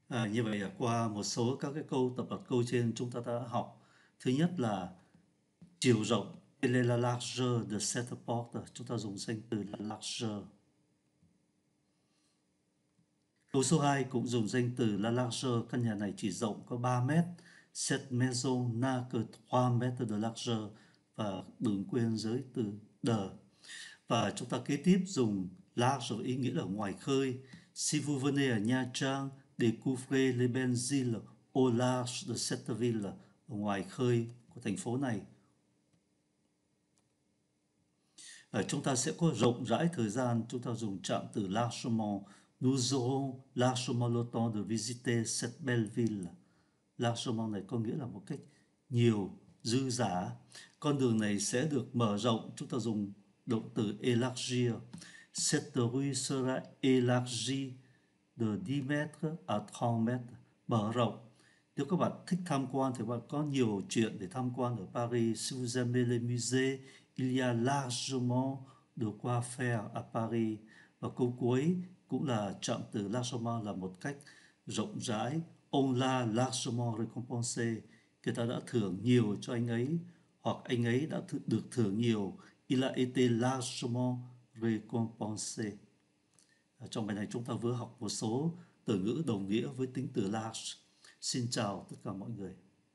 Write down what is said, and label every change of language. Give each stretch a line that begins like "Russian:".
Vietnamese: Như vậy qua một số các cái câu tập hợp câu trên chúng ta đã học. Thứ nhất là chiều rộng.
French: Il est la largeur de cette porte.
Vietnamese: Chúng ta dùng danh từ là largeur. Câu số 2 cũng dùng danh từ la largeur. Căn nhà này chỉ rộng có 3 mét.
French: Cette maison n'a que 3 mètres de largeur.
Vietnamese: Và đừng quên giới từ de. Và chúng ta kế tiếp dùng large ý nghĩa là ngoài khơi.
French: Si vous venez à Nha Trang, découvrez les belles îles au large de cette ville.
Vietnamese: Ở ngoài khơi của thành phố này. Chúng ta sẽ có rộng rãi thời gian. Chúng ta dùng trạm từ largement.
French: Nous aurons largement le temps de visiter cette belle ville.
Vietnamese: Largement này có nghĩa là một cách nhiều, dư giả. Con đường này sẽ được mở rộng. Chúng ta dùng động từ élargir.
French: Cette rue sera élargie de 10 mètres à 30 mètres.
Vietnamese: Mở rộng. Nếu các bạn thích tham quan thì bạn có nhiều chuyện để tham quan ở Paris.
French: Si vous aimez les musées, il y a largement de quoi faire à Paris.
Vietnamese: Và câu cuối cũng là trạm từ largement, là một cách rộng rãi.
French: On l'a largement récompensé,
Vietnamese: người ta đã thưởng nhiều cho anh ấy, hoặc anh ấy đã được thưởng nhiều.
French: Il a été largement récompensé.
Vietnamese: Trong bài này chúng ta vừa học một số từ ngữ đồng nghĩa với tính từ large. Xin chào tất cả mọi người.